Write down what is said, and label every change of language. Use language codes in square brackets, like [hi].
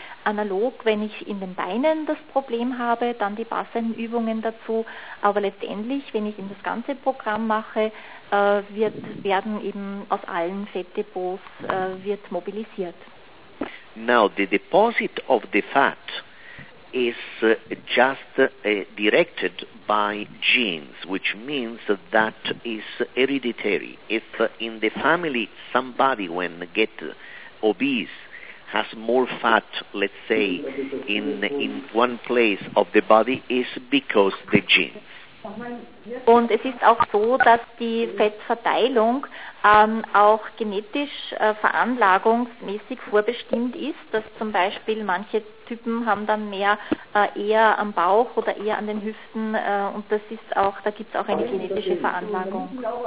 [de] Analog, wenn ich in den Beinen das Problem habe, dann die passenden Übungen dazu. Aber letztendlich, wenn ich eben das ganze Programm mache, werden eben aus allen Fettdepots wird mobilisiert. [en] Now, the deposit of the fat is just directed by genes, which means that is hereditary. If in the family somebody when get obese has more fat, let's say, in one place of the body, is because the genes. [de] Und es ist auch so, dass die Fettverteilung auch genetisch veranlagungsmäßig vorbestimmt ist, dass zum Beispiel manche Typen haben dann mehr eher am Bauch oder eher an den Hüften und das ist auch, da gibt es auch eine genetische Veranlagung.